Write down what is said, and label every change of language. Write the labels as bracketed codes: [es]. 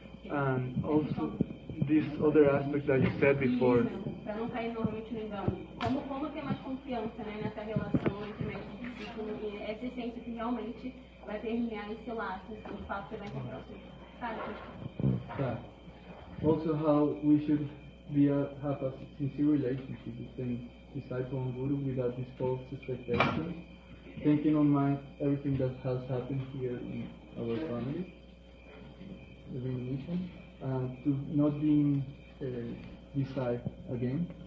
[en] And also this other aspect that you said before. [pt] Para não cair novamente no engano. Como ter mais confiança, né, nessa relação entre mestre e discípulo e essa essência que realmente vai permear esse laço, o fato que vai encontrar o seu Tá. [en] Also, how we should have a sincere relationship between disciple and guru without these false expectations, thinking on mind everything that has happened here in our family, the reunion, and to not being deceived again.